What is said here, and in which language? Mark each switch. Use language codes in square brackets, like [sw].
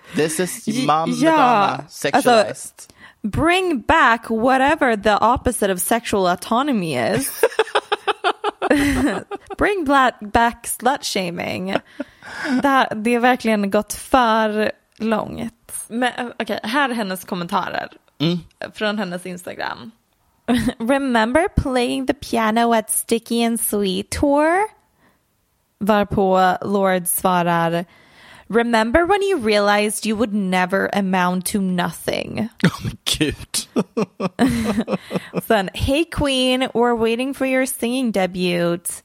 [en] This is mom Madonna, sexualist. [sv] Alltså, [en] bring back whatever the opposite of sexual autonomy is. Bring back slut shaming. [sv] Det har verkligen gått för långt. Men okay, här är hennes kommentarer från hennes Instagram. [en] Remember playing the piano at Sticky and Sweet tour? [sv] Varpå Lord svarar, [en] remember when you realized you would never amount to nothing? Oh my god. Then, hey queen, we're waiting for your singing debut.